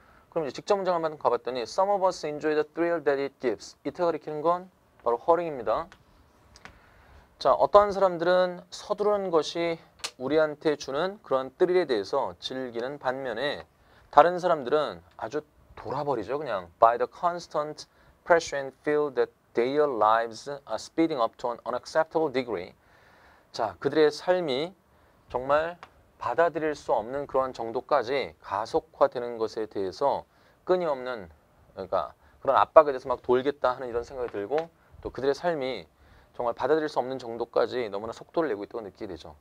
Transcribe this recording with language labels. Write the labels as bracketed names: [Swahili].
[Korean] 그럼 이제 직접 문장 한번 가봤더니 [English] Some of us enjoy the thrill that it gives. [Korean] 이때 가리키는 건 바로 허링입니다. 자, 어떠한 사람들은 서두르는 것이 우리한테 주는 그런 thrill에 대해서 즐기는 반면에 다른 사람들은 아주 돌아버리죠. 그냥 [English] By the constant pressure and feel that their lives are speeding up to an unacceptable degree. [Korean] 자, 그들의 삶이 정말 받아들일 수 없는 그러한 정도까지 가속화되는 것에 대해서 끊임없는 그러니까 그런 압박에 대해서 막 돌겠다 하는 이런 생각이 들고 또 그들의 삶이 정말 받아들일 수 없는 정도까지 너무나 속도를 내고 있다고 느끼게 되죠.